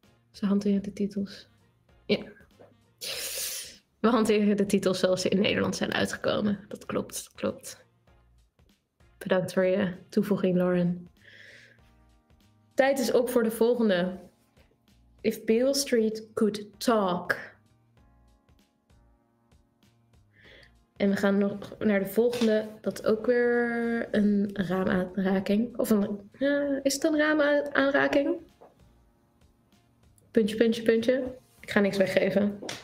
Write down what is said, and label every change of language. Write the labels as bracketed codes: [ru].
[nl] Ze hanteren de titels. Ja. We hanteren de titels zoals ze in Nederland zijn uitgekomen. Dat klopt, dat klopt. Bedankt voor je toevoeging, Lauren. Tijd is op voor de volgende. [en] If Beale Street could talk. [nl] En we gaan nog naar de volgende. Dat is ook weer een raamaanraking. Of een, is het een raamaanraking? Puntje, puntje, puntje. Ik ga niks weggeven.